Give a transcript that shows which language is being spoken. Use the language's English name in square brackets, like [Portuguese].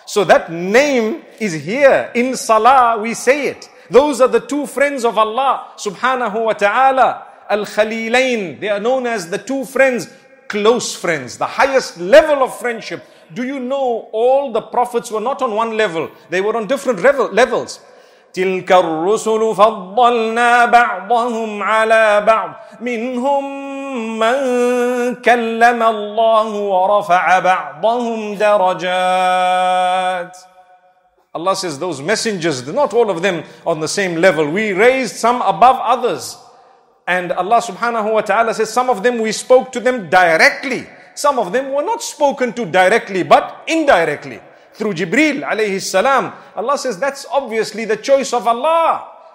[English] So that name is here. In salah, we say it. Those are the two friends of Allah subhanahu wa ta'ala. Al-Khalilain. They are known as the two friends, close friends, the highest level of friendship. Do you know all the prophets were not on one level? They were on different levels. [Arabic] تلك الرسل فضلنا بعضهم على بعض منهم من كلم الله ورفع بعضهم درجات. [English] Allah says those messengers, not all of them on the same level. We raised some above others. And Allah subhanahu wa ta'ala says some of them we spoke to them directly. Some of them were not spoken to directly but indirectly. Through Jibreel alayhi salam. Allah says that's obviously the choice of Allah.